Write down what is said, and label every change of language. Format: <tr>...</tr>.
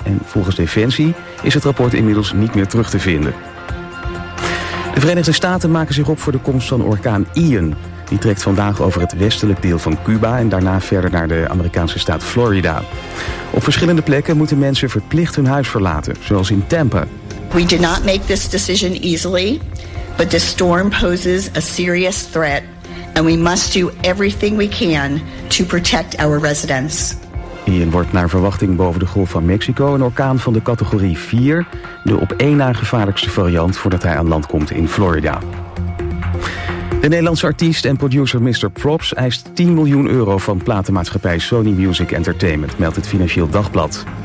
<nl>En volgens Defensie is het rapport inmiddels niet meer terug te vinden. De Verenigde Staten maken zich op voor de komst van orkaan Ian. Die trekt vandaag over het westelijk deel van Cuba en daarna verder naar de Amerikaanse staat Florida. Op verschillende plekken moeten mensen verplicht hun huis verlaten, zoals in Tampa.</nl> <en>We did not make this decision easily, but the storm poses a serious threat and we must do everything we can to protect our residents.</en> <nl>Ian wordt naar verwachting boven de Golf van Mexico een orkaan van de categorie 4, de op één na gevaarlijkste variant voordat hij aan land komt in Florida. De Nederlandse artiest en producer Mr. Props eist 10 miljoen euro van platenmaatschappij Sony Music Entertainment, meldt het Financieel Dagblad.</nl>